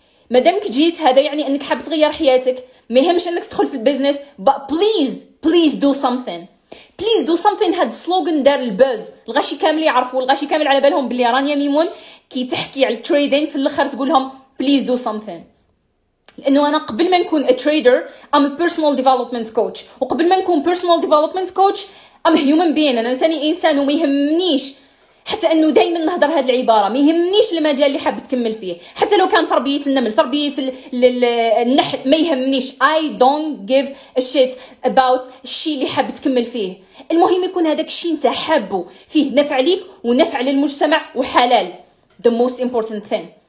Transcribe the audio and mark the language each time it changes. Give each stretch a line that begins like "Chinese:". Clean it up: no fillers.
Arabic: مادامك جيت هذا يعني انك حاب تغير حياتك ما يهمش انك تدخل في البزنس
English: but please do something. Please do something
Arabic: هاد سلوغن دار البز الغاشي كامل يعرفوا الغاشي كامل على بالهم بلي رانيا ميمون كي تحكي على التريدين في الاخر تقولهم
English: please do something.
Arabic: لانه انا قبل ما نكون
English: a trader I'm a personal development coach
Arabic: وقبل ما نكون
English: personal development coach I'm a human being.
Arabic: انا ثاني انسان وما يهمنيش حتى انه دائما نهضر هذه العباره ما يهمنيش المجال اللي حاب تكمل فيه حتى لو كان تربيه النمل تربيه النحل ما يهمنيش.
English: I don't give a shit about
Arabic: الشيء اللي حاب تكمل فيه المهم يكون هذاك الشيء انت حابه فيه نفع ليك ونفع للمجتمع وحلال
English: the most important thing.